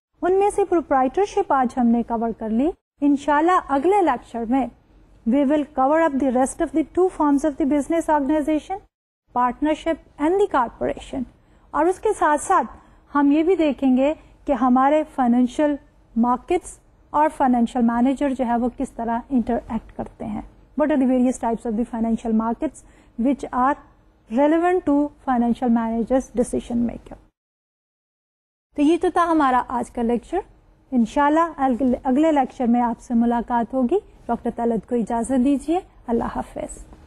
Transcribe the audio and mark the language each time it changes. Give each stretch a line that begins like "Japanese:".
Urdu: ان میں سے پروپرائٹرشپ آج ہم نے کور کر لی. ان شاء اللہ اگلے لیکچر میں
English: We will cover up the rest of the two forms of the business organization, partnership and the corporation.
Urdu: اور اس کے ساتھ ساتھ ہم یہ بھی دیکھیں گے کہ ہمارے financial markets اور financial manager جو ہے وہ کس طرح interact کرتے ہیں.
English: What are the various types of the financial markets which are relevant to financial managers decision maker.
Urdu: تو یہ تو تھا ہمارا آج کا لیکچر. انشاءاللہ اگلے لیکچر میں آپ سے ملاقات ہوگی. ڈاکٹر طلعت کو اجازت دیجیے. اللہ حافظ.